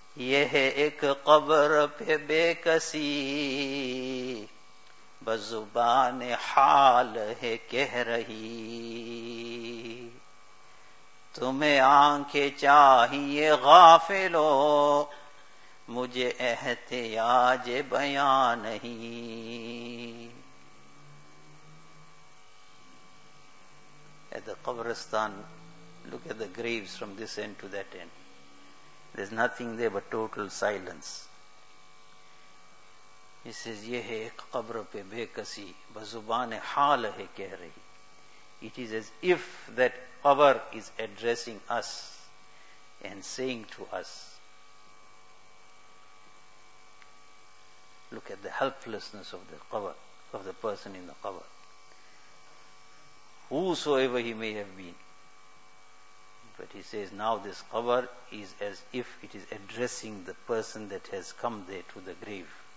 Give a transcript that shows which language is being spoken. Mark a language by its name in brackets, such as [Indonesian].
[Urdu] یہ ہے ایک قبر پہ بے کسی بس زبان حال ہے کہہ رہی. تمہیں آنکھیں چاہیے غافلو مجھے احتیاج بیان نہیں. [English] At the قبرستان, look at the graves from this end to that end. There's nothing there but total silence. He says, [Urdu] یہ ہے ایک قبر پہ بے کسی بزبان حال ہے کہہ رہی. [English] It is as if that قبر is addressing us and saying to us, look at the helplessness of the قبر, of the person in the قبر. Whosoever he may have been. But he says, now this qabr is as if it is addressing the person that has come there to the grave.